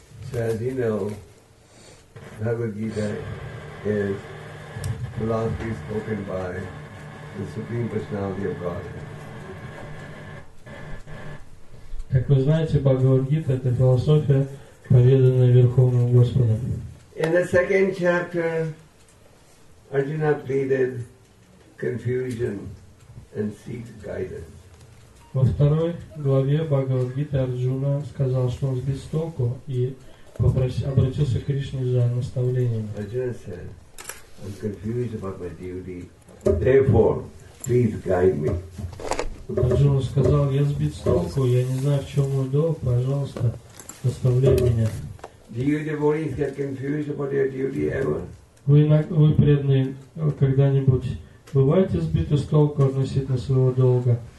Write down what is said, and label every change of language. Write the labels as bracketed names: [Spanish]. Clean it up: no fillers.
[English] Бхагавад-гита is philosophy spoken by the Supreme Personality of Godhead. [Russian] Как вы знаете, Бхагавад-гита – это философия, поведанная Верховным Господом. [English] In the second chapter, Arjuna pleaded confusion and seeks guidance. [Russian] Во второй главе Бхагавад-гиты Арджуна сказал, что он сбит с толку и обратился к Кришне за наставлением. [English] Arjuna said, I'm confused about my duty. Therefore, please guide me. [Russian] Арджуна сказал, я сбит с толку, я не знаю, в чем мой долг, пожалуйста, наставляй меня. [English] Do you devotees get confused about your duty ever? [Russian] Вы преданные, когда-нибудь бываете сбиты с толку относительно своего долга?